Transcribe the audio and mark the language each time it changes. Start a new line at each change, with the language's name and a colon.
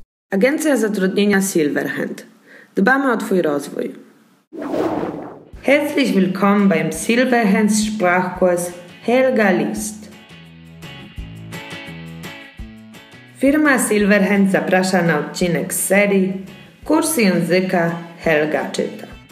Polish: Agencja zatrudnienia Silverhand. Dbamy o Twój rozwój.
German: Herzlich willkommen beim Silverhand Sprachkurs Helga List.
Polish: Firma Silverhand zaprasza na odcinek z serii Kurs języka Helga czyta.